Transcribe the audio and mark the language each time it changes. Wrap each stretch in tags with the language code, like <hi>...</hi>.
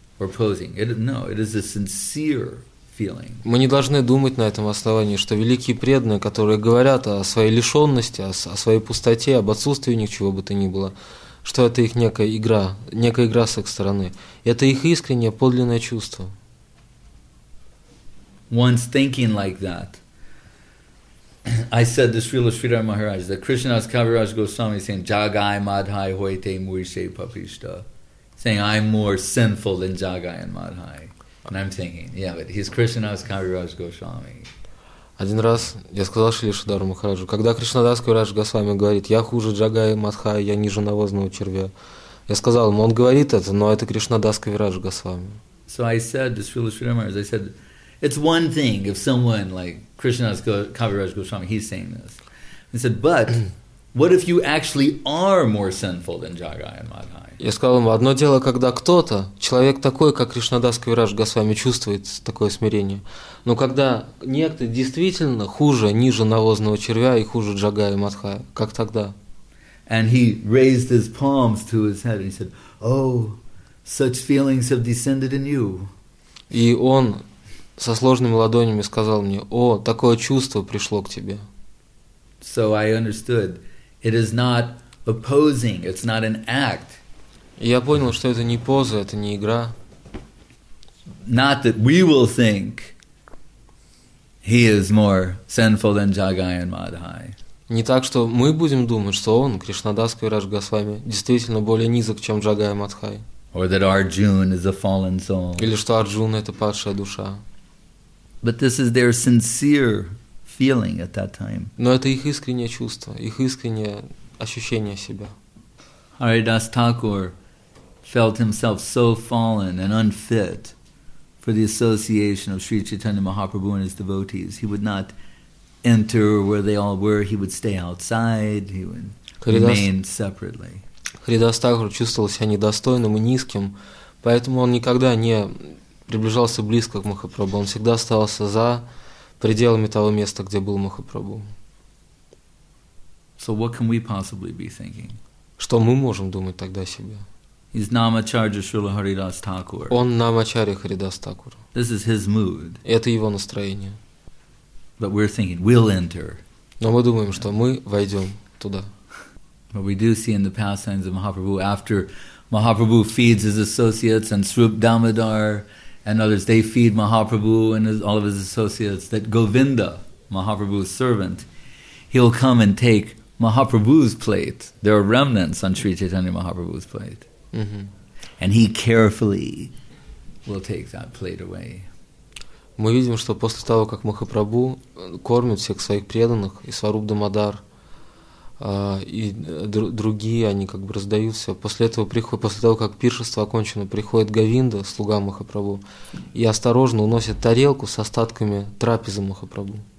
<en>proposing. It is a sincere feeling.</en> <ru>Мы не должны думать на этом основании, что великие преданные, которые говорят о своей лишенности, о своей пустоте, об отсутствии ничего бы то ни было, что это их некая игра с их стороны. Это их искреннее, подлинное чувство.</ru> <en>Once thinking like that, I said this Srila Sridhar Maharaj, that Krishnadas Kaviraj Goswami saying,</en> <bn>Jagai Madhai Hoite Murise Papishta,</bn> <en>saying, I'm more sinful than Jagai and Madhai. And I'm thinking, yeah, but he's Krishnadas Kaviraj Goswami.</en> <ru>Один раз я сказал Шри Шридхару Махараджу, когда Кришнадас Кавирадж Госвами говорит, я хуже Джагая Мадхая, я ниже навозного червя. Я сказал ему, он говорит это, но это Кришнадас Кавирадж Госвами.</ru> <en>So I said to Srila Sridhar Maharaj, I said, it's one thing if someone like Krishnadas Kaviraj Goswami, he's saying this. I said, but what if you actually are more sinful than Jagai and Madhai?</en> <ru>Я сказал ему, одно дело, когда кто-то, человек такой, как Кришнадас Кавирадж Госвами, чувствует такое смирение. Но когда некто действительно хуже, ниже навозного червя и хуже Джагая и Мадхая, как тогда?</ru> <en>And he raised his palms to his head and he said, oh, such feelings have descended in you.</en> <ru>И он со сложными ладонями сказал мне, о, такое чувство пришло к тебе.</ru> <en>So I understood, it is not opposing, it's not an act.</en> <ru>И я понял, что это не поза, это не игра.</ru> <en>Not that we will think he is more sinful than Jagai and Madhai.</en> <ru>Не так, что мы будем думать, что он, Кришнадас Кавирадж Госвами, действительно более низок, чем Джагай и Мадхай.</ru> <en>Or that Arjuna is a fallen soul.</en> <ru>Или что Арджуна это падшая душа.</ru> <en>But this is their sincere feeling at that time.</en> <ru>Но это их искреннее чувство, их искреннее ощущение себя.</ru> <en>Haridas Thakur felt himself so fallen and unfit for the association of Sri Chaitanya Mahaprabhu and his devotees. He would not enter where they all were. He would stay outside. He would remain separately.</en> <ru>Haridas Thakur чувствовал себя недостойным и низким, поэтому он никогда не приближался близко к Махапрабху. Он всегда оставался за пределами того места, где был Махапрабху.</ru> <en>So what can we possibly be thinking?</en> <ru>Что мы можем думать тогда о себе?</ru> <en>He's Namacharya Srila Haridas Thakur.</en> <ru>Он Намачарья Харидас Такур.</ru> <en>This is his mood.</en> <ru>Это его настроение.</ru> <en>But we're thinking, we'll enter.</en> <ru>Но мы думаем, что мы войдем туда.</ru> <en>But we do see in the pastimes of Mahaprabhu, after Mahaprabhu feeds his associates and Srup Damodar and others, they feed Mahaprabhu and all of his associates, that Govinda, Mahaprabhu's servant, he'll come and take Mahaprabhu's plate. There are remnants on Sri Chaitanya Mahaprabhu's plate. And he carefully will take that plate away.</en> <ru>Мы видим, что после того, как Махапрабху кормит всех своих преданных, и Сваруп Дамодар, и другие, они как бы раздаются, после того, как пиршество окончено, приходит Говинда, слуга Махапрабху, и осторожно уносит тарелку с остатками трапезы Махапрабху.</ru>